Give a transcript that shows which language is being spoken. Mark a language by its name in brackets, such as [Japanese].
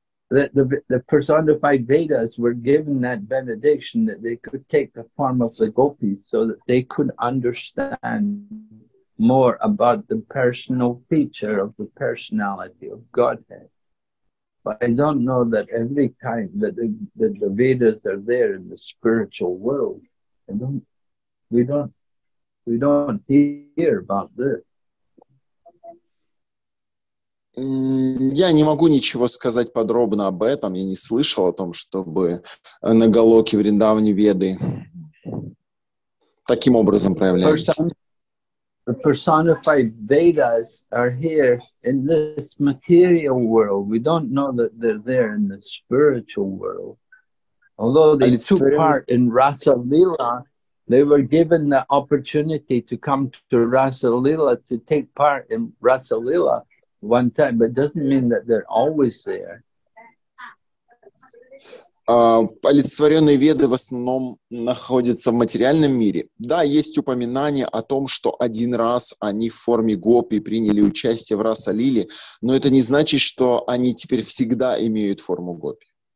[English] The personified Vedas were given that benediction that they could take the form of the gopis so that they could understand more about the personal feature of the personality of Godhead. But I don't know that every time that the Vedas are there in the spiritual world, we don't hear about this. [Russian] Я не могу ничего сказать подробно об этом. Я не слышал о том, чтобы на Галоке Вриндавне Веды таким образом проявлялись. [English] They were given the opportunity to come to Rasa Lila, to take part in Rasa Lila. One time, but doesn't mean that they're always there. [Russian] Олицетворенные веды в основном находятся в материальном мире. Да, есть упоминание о том, что один раз они в форме гопи приняли участие в Расалиле, но это не значит, что они теперь всегда имеют форму гопи.